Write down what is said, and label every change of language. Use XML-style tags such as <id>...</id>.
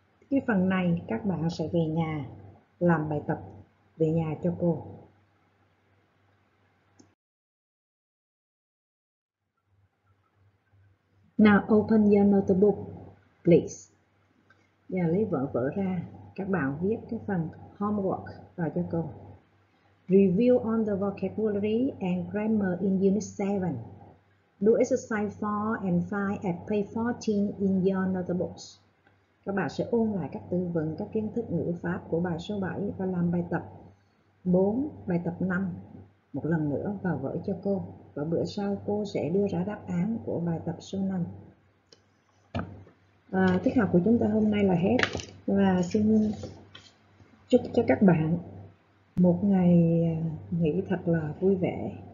<vi>Cái phần này các bạn sẽ về nhà làm bài tập về nhà cho cô.</vi> <en>Now open your notebook, please.</en> <vi>Giờ lấy vở vở ra, các bạn viết cái phần homework vào cho cô.</vi> <en>Review on the vocabulary and grammar in Unit 7. Do exercise 4 and 5 at page 14 in your notebooks.</en> <vi>Các bạn sẽ ôn lại các từ vựng, các kiến thức ngữ pháp của bài số 7 và làm bài tập 4, bài tập 5 một lần nữa vào vở cho cô. Và bữa sau cô sẽ đưa ra đáp án của bài tập số 5. Tiết học của chúng ta hôm nay là hết. Và xin chúc cho các bạn một ngày nghỉ thật là vui vẻ.</vi>